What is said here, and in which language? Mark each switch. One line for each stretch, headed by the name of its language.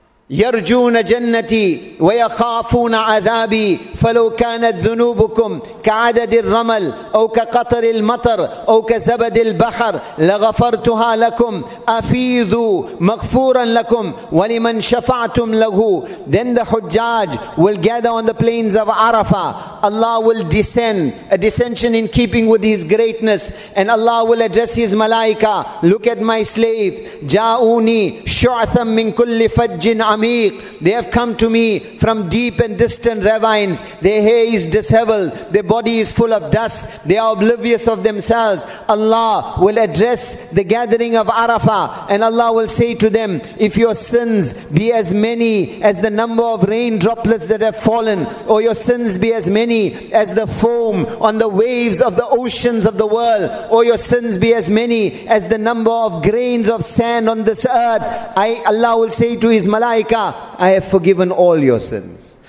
Arabic: يَرْجُونَ جَنَّتِي وَيَخَافُونَ عَذَابِي فَلَوْ كَانَتْ ذُنُوبُكُمْ كَعَدَدِ الرَّمَلِ أَوْ كَقَطْرِ الْمَطَرِ أَوْ كَزَبَدِ الْبَحْرِ لَغَفَرْتُهَا لَكُمْ أَفِيذُوا مَغْفُورًا لَكُمْ وَلِمَنْ شَفَعْتُمْ لَهُ.
English: Then the Hujjaj will gather on the plains of Arafah. Allah will descend, a descension in keeping with his greatness, and Allah will address his malaika. Look at my slave,
Arabic: جَاءُونِي شُعْثًا مِنْ كُلِّ فَجٍّ.
English: They have come to me from deep and distant ravines. Their hair is disheveled. Their body is full of dust. They are oblivious of themselves. Allah will address the gathering of Arafah. And Allah will say to them, if your sins be as many as the number of rain droplets that have fallen, or your sins be as many as the foam on the waves of the oceans of the world, or your sins be as many as the number of grains of sand on this earth, Allah will say to his Malaika, I have forgiven all your sins.